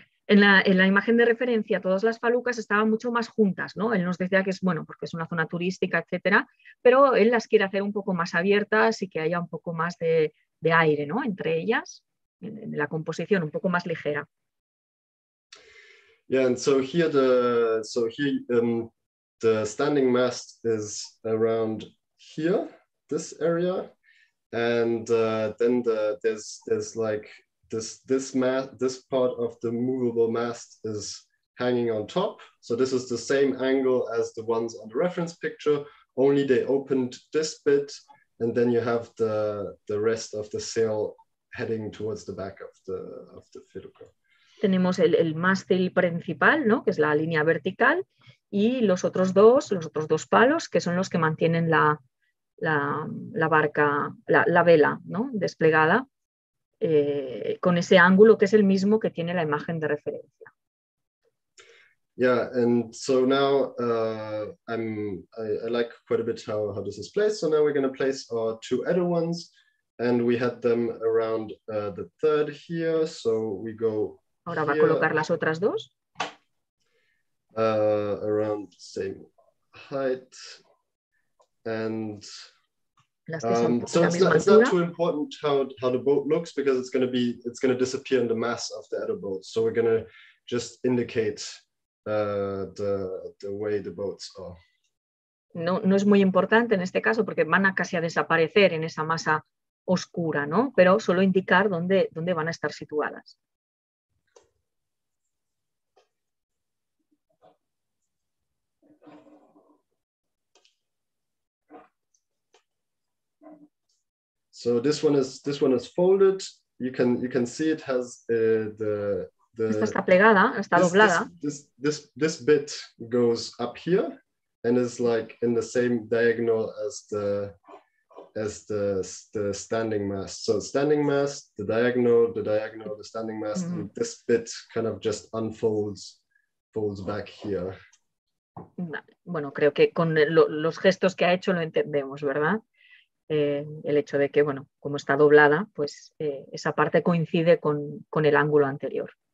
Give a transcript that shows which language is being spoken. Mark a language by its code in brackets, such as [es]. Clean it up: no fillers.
[es] En la imagen de referencia, todas las falucas estaban mucho más juntas, ¿no? Él nos decía que es bueno porque es una zona turística, etcétera, pero él las quiere hacer un poco más abiertas y que haya un poco más de aire, ¿no? Entre ellas, en la composición, un poco más ligera. [en] Yeah, and so here the standing mast is around here, this area, and then there's like this part of the movable mast is hanging on top. So this is the same angle as the ones on the reference picture, only they opened this bit, and then you have the rest of the sail heading towards the back of the felucca. [es] Tenemos el mástil principal, ¿no? Que es la línea vertical, y los otros dos palos, que son los que mantienen la barca, la vela, ¿no? Desplegada. Con ese ángulo que es el mismo que tiene la imagen de referencia. [en] Yeah, and so now I like quite a bit how this is placed. So now we're going to place our two other ones, and we had them around the third here. So we go. [es] Ahora va a colocar las otras dos. [en] Around the same height, and. So it's not too important how the boat looks, because it's going to disappear in the mass of the other boat. So we're going to just indicate the way the boats are. [es] No es muy importante en este caso porque van a casi a desaparecer en esa masa oscura, ¿no? Pero solo indicar dónde van a estar situadas. [en] So this one is folded. You can see it has the [es] esta está plegada, está doblada. [en] This bit goes up here and is like in the same diagonal as the standing mast. So standing mast, the diagonal, the standing mast, mm-hmm. And this bit kind of just unfolds back here. [es] Vale. Bueno, creo que con los gestos que ha hecho lo entendemos, ¿verdad? El hecho de que, bueno, como está doblada, pues esa parte coincide con el ángulo anterior.